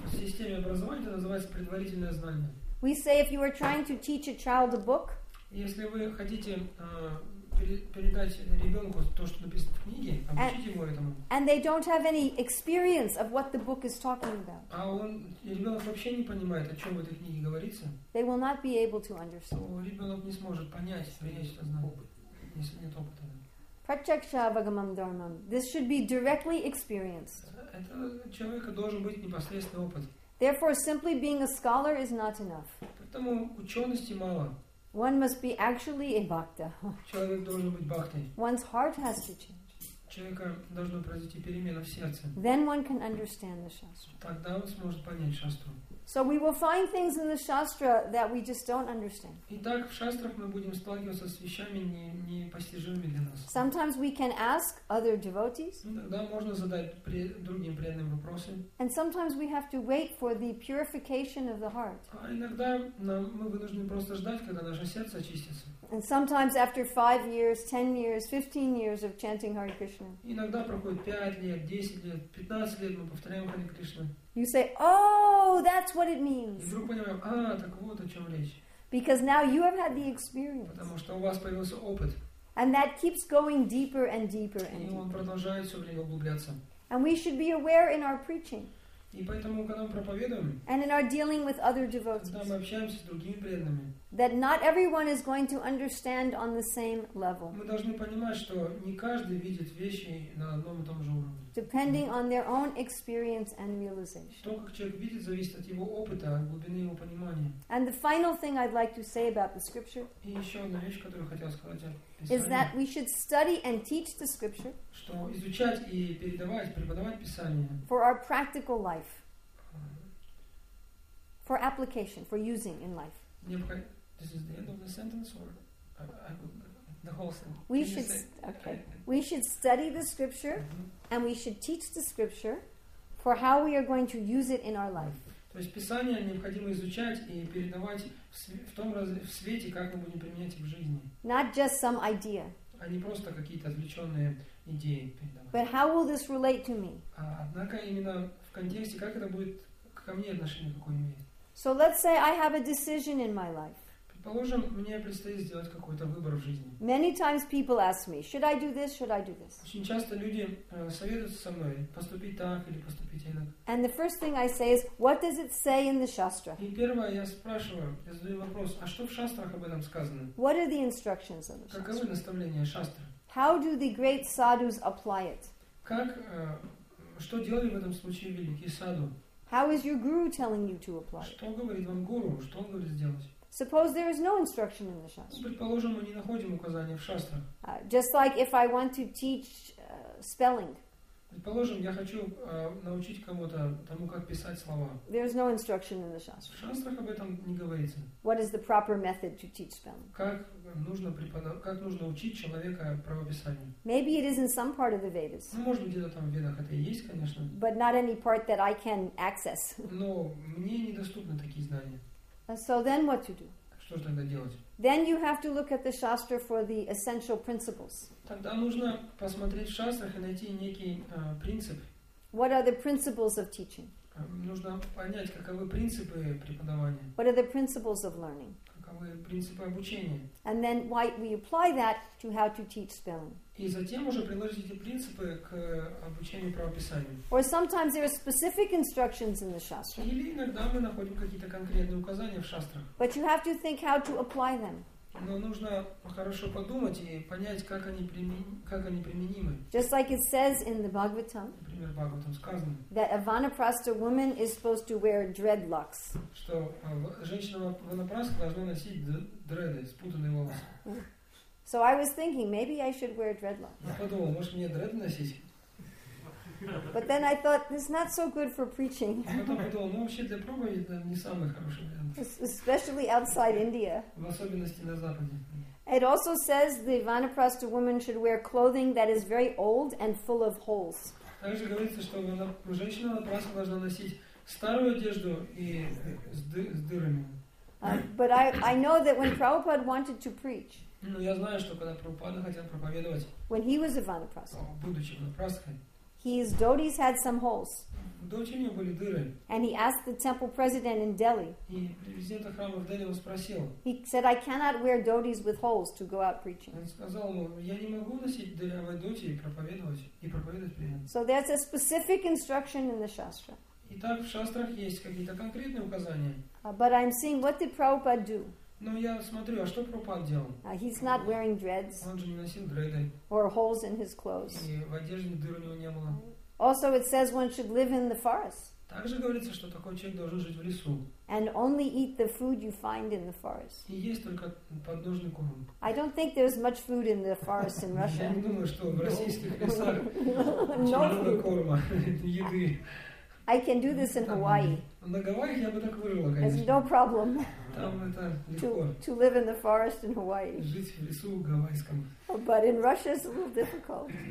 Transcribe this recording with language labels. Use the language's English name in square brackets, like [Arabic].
[Russian] В системе образования это называется предварительное знание. [English] We say if you are trying to teach a child a book. [Russian] Если вы хотите передать ребенку то, что написано в книге, обучите его этому. [English] And they don't have any experience of what the book is talking about. [Russian] А он ребенок вообще не понимает, о чем в этой книге говорится. [English] They will not be able to understand. [Russian] То ребенок не сможет понять, принять это знание, если нет опыта. [Sanskrit] Pratyaksha avagamam dharmam. [English] This should be directly experienced. [Russian] Это человека должен быть непосредственный опыт. [English] Therefore, simply being a scholar is not enough. [Russian] Поэтому учености мало. [English] One must be actually a bhakta. [Russian] Человек должен быть бхактой. [English] One's heart has to change. [Russian] Человека должно произойти перемена в сердце. [English] Then one can understand the shastra. [Russian] Тогда он сможет понять шастру. [English] So we will find things in the shastra that we just don't understand. [Russian] Итак, в шастрах мы будем сталкиваться с вещами непостижимыми для нас. [English] Sometimes we can ask other devotees. [Russian] Иногда можно задать другим преданным вопросы. [English] And sometimes we have to wait for the purification of the heart. [Russian] А иногда мы вынуждены просто ждать, когда наше сердце очистится. [English] And sometimes after 5 years, 10 years, 15 years of chanting Hare Krishna. [Russian] Иногда проходит 5 лет, 10 лет, 15 лет, мы повторяем Хари Кришна. [English] You say, "Oh, that's what it means." [Russian] И вдруг понимаем, так вот о чем речь. [English] Because now you have had the experience. [Russian] Потому что у вас появился опыт. [English] And that keeps going deeper and deeper and deeper. [Russian] И он продолжает все время углубляться. [English] And we should be aware in our preaching. [Russian] И поэтому, когда мы проповедуем, [English] and in our dealing with other devotees, [Russian] когда мы общаемся с другими преданными, [English] that not everyone is going to understand on the same level. [Russian] Мы должны понимать, что не каждый видит вещи на одном и том же уровне. [English] Depending on their own experience and realization. [Russian] То, как человек видит, зависит от его опыта, от глубины его понимания. [English] And the final thing I'd like to say about the scripture. [Russian] И еще одна вещь, которую я хотел сказать о Писании. [English] Is that we should study and teach the scripture. [Russian] Что изучать и передавать, преподавать Писание. [English] For our practical life. For application, for using in life. This is the end of the sentence, or the whole thing. We should We should study the scripture. Mm-hmm. And we should teach the scripture for how we are going to use it in our life. [Russian] То есть Писание необходимо изучать и передавать в том в свете, как мы будем применять их в жизни. [English] Not just some idea. [Russian] А не просто какие-то отвлеченные идеи передавать. [English] But how will this relate to me? [Russian] Однако именно в контексте, как это будет ко мне отношение какое имеет. [English] So let's say I have a decision in my life. [Russian] Предположим, мне предстоит сделать какой-то выбор в жизни. [English] Many times people ask me, should I do this, should I do this? [Russian] Очень часто люди советуются со мной, поступить так или поступить иначе. [English] And the first thing I say is, what does it say in the Shastra? [Russian] И первое, я спрашиваю, я задаю вопрос, а что в Шастрах об этом сказано? [English] What are the instructions of the Shastra? [Russian] Каковы наставления Шастры? [English] How do the great sadhus apply it? [Russian] Как, что делали в этом случае великие саду? [English] How is your guru telling you to apply it? [Russian] Что говорит вам гуру, что он говорит сделать? [English] Suppose there is no instruction in the Shastra. [Russian] Предположим, мы не находим указания в Шастрах. [English] Just like if I want to teach spelling. [Russian] Предположим, я хочу научить кому-то тому, как писать слова. [English] There is no instruction in the Shastra. [Russian] В Шастрах об этом не говорится. [English] What is the proper method to teach spelling? [Russian] Как нужно учить человека правописанию? [English] Maybe it is in some part of the Vedas. [Russian] Ну, может быть, где-то там в Ведах это и есть, конечно. [English] But not any part that I can access. [Russian] Но мне недоступны такие знания. [English] So then what to do? [Russian] Что же тогда делать? [English] Then you have to look at the Shastra for the essential principles. [Russian] Тогда нужно посмотреть в Шастрах и найти некий принцип. [English] What are the principles of teaching? [Russian] Нужно понять, каковы принципы преподавания. [English] What are the principles of learning? [Russian] Каковы принципы обучения? [English] And then why we apply that to how to teach spelling. [Russian] И затем уже приложить эти принципы к обучению правописанию. [English] Or sometimes there are specific instructions in the Shastra. [Russian] Или иногда мы находим какие-то конкретные указания в Шастрах. [English] But you have to think how to apply them. [Russian] Но нужно хорошо подумать и понять, как они применимы. [English] Just like it says in the Bhagavatam. [Russian] Например, в Бхагаватам сказано. [English] That a vanaprastha woman is supposed to wear dreadlocks. [Russian] Что женщина ванапрастха должна носить дреды, спутанные волосы. [English] So I was thinking, maybe I should wear dreadlocks. [Russian] Я подумал, может мне дреды носить? [English] But then I thought, this is not so good for preaching. [Russian] Потом подумал, вообще для проповеди это не самый хороший вариант. [English] Especially outside India. [Russian] В особенности на Западе. [English] It also says the vanaprastha woman should wear clothing that is very old and full of holes. [Russian] Также говорится, что женщина напрасно должна носить старую одежду и с дырами. [English] But I know that when Prabhupada wanted to preach, [Russian] ну, я знаю, что когда Прабхупада хотел проповедовать, [English] when he was a vanaprastha, [Russian] будучи ванапрастхой, [English] his dhotis had some holes. [Russian] Dhoti у него были дыры. [English] And he asked the temple president in Delhi. [Russian] И президента храма в Дели его спросил. [English] He said, I cannot wear dhotis with holes to go out preaching. [Russian] Он сказал ему, я не могу носить дырявые dhoti и проповедовать, перед ним. [English] So there's a specific instruction in the Shastra. [Russian] Итак, в Шастрах есть какие-то конкретные указания. [English] But I'm seeing, what did Prabhupada do? [Russian] Ну, я смотрю, а что Прабхупад делал? [English] He's not wearing dreads. [Russian] Он же не носил дреды. [English] Or holes in his clothes. [Russian] И в одежде дыр у него не было. [English] Also, it says one should live in the forest. [Russian] Также говорится, что такой человек должен жить в лесу. [English] And only eat the food you find in the forest. [Russian] И есть только подножный корм. [English] I don't think there's much food in the forest in Russia. [Russian] Я не думаю, что в российских лесах очень много корма, еды. [English] I can do this in Hawaii. [Russian] На Гавайях я бы так выжила, конечно. [English] There's no problem. [Russian] Там это легко. [English] To live in the forest in Hawaii. [Russian] Жить в лесу гавайском. [English] But in Russia it's a little difficult.